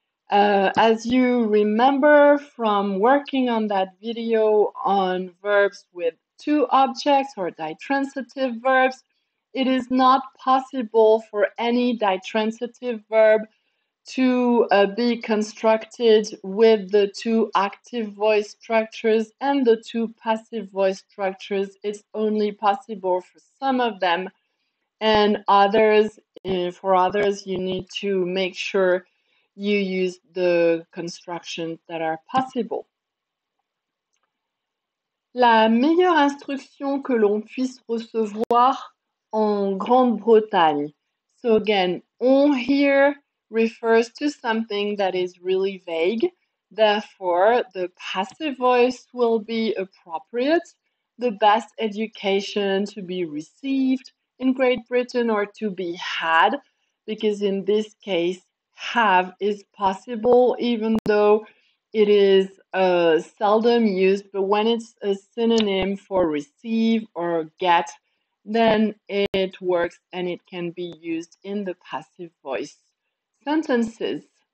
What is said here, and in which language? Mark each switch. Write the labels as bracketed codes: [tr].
[en] As you remember from working on that video on verbs with two objects or ditransitive verbs, it is not possible for any ditransitive verb to be constructed with the two active voice structures and the two passive voice structures. It's only possible for some of them, and for others, you need to make sure you use the constructions that are possible. [fr] La meilleure instruction que l'on puisse recevoir en Grande-Bretagne. [en] So again, on here refers to something that is really vague. Therefore, the passive voice will be appropriate. The best education to be received in Great Britain or to be had, because in this case, have is possible, even though it is seldom used, but when it's a synonym for receive or get, then it works and it can be used in the passive voice sentences.